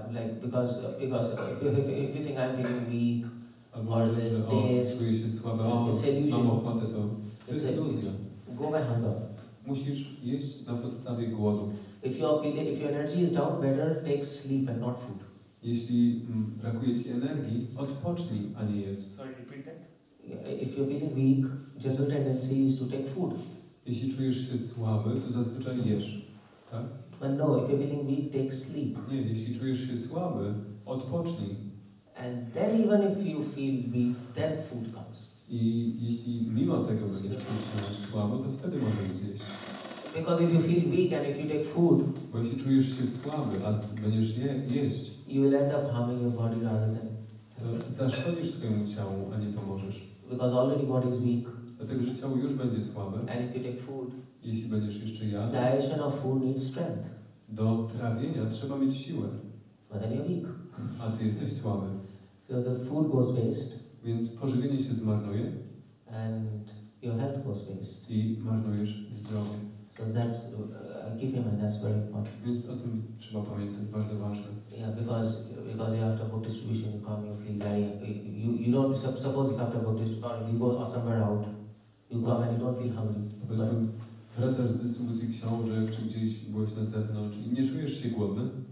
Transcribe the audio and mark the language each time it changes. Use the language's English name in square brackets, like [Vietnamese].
[English] because if you think I'm feeling weak or the taste, it's illusion. Go by hunger. [Polish] Musisz jeść na podstawie głodu. [English] If your energy is down, better take sleep and not food. [Polish] Jeśli brakuje ci energii, odpocznij, a nie jedz. [English] Sorry, repeat that. If you're feeling weak, general tendency is to take food. [Polish] Jeśli czujesz się słaby, to zazwyczaj jesz, tak? [English] But no, if you're feeling weak, take sleep. [Polish] Nie, jeśli czujesz się słaby, odpocznij. [English] And then even if you feel weak, then food comes. [Polish] I jeśli mimo tego będziesz czuć się słabo, to wtedy możesz zjeść. [English] Because if you feel weak and if you take food, [Polish] bo jeśli czujesz się słaby, a będziesz jeść, [English] you will end up harming your body rather than. [Polish] Zaszkodzisz swojemu ciału, a nie pomożesz. [English] Because already body is weak. [Polish] Dlatego, że ciało już będzie słabe. [English] And if you take food, [Polish] jeśli będziesz jeszcze jadł, [English] digestion of food needs strength. [Polish] Do trawienia trzeba mieć siłę. [English] But then you're weak. [Polish] A ty jesteś słaby. [English] So the food goes waste. [Polish] Więc pożywienie się zmarnuje. [English] And your health goes waste. [Polish] I marnujesz zdrowie. [English] So that's give him, and that's very important. [Polish] Więc o tym trzeba pamiętać, bardzo ważne. [English] Yeah, because you after book distribution you come, you feel very you don't suppose you after book distribution you go somewhere out, you come and you don't feel hungry. [Polish] Wracasz z dystrybucji książek czy gdzieś byłeś na zewnątrz i nie czujesz się głodny.